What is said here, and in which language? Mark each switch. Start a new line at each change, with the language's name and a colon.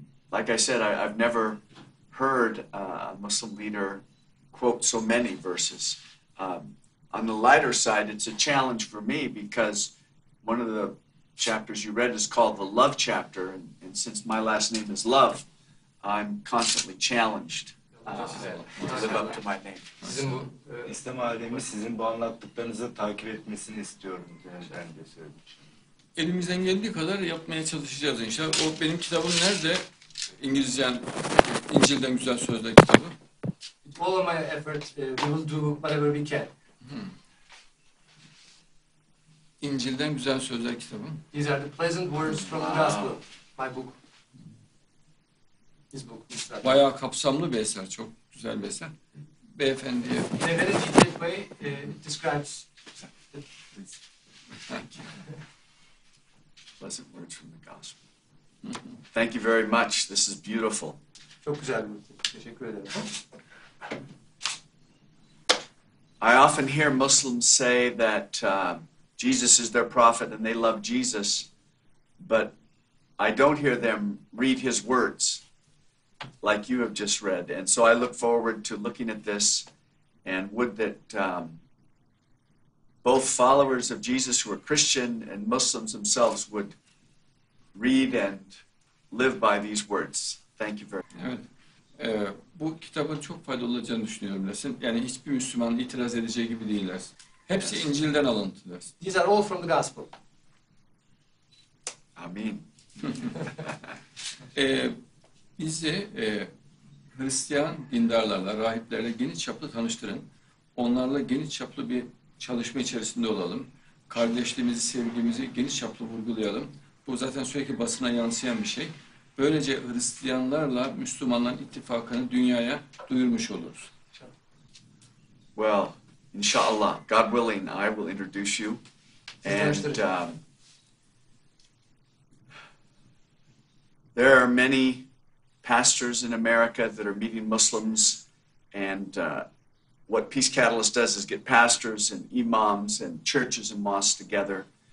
English: Like I said, I've never heard a Muslim leader quote so many verses. On the lighter side, it's a challenge for me, because one of the chapters you read is called the Love Chapter, and since my last name is Love, I'm constantly challenged to live up to my name.
Turkish: İslam alemi sizin bu anlattıklarınızı takip etmesini istiyorum. Ben de söyleyeceğim. Elimizden geldiği kadar yapmaya çalışacağız inşallah. O benim kitabım nerede? İngilizce, İncil'den güzel sözler kitabı.
English: All of my effort, we will do whatever we can.
Turkish: İncil'den güzel sözler kitabım.
English: These are the pleasant words from the Gospel. My book. His book. His
Turkish: bayağı kapsamlı bir eser, çok güzel bir eser. Beyefendi.
English: In a very detailed way, it describes. pleasant words from the gospel. Thank you very much. This is beautiful.
Turkish: Çok güzel bir şey. Teşekkür ederim.
English: I often hear Muslims say that Jesus is their prophet and they love Jesus, but I don't hear them read his words like you have just read. And so I look forward to looking at this, and would that both followers of Jesus who are Christian and Muslims themselves would read and live by these words. Thank you very much.
Turkish: Bu kitabın çok faydalı olacağını düşünüyorum Lesin. Yani hiçbir Müslüman itiraz edeceği gibi değiller. Hepsi yes. İncil'den alıntı.
English: These are all from the gospel.
Turkish: Amin. bizi Hristiyan dindarlarla, rahiplerle geniş çaplı tanıştırın. Onlarla geniş çaplı bir çalışma içerisinde olalım. Kardeşliğimizi, sevgimizi geniş çaplı vurgulayalım. Bu zaten sürekli basına yansıyan bir şey. Böylece Hristiyanlarla Müslümanların ittifakını dünyaya duyurmuş oluruz.
English: Well, inshallah, God willing, I will introduce you. And there are many pastors in America that are meeting Muslims, and what Peace Catalyst does is get pastors and imams and churches and mosques together.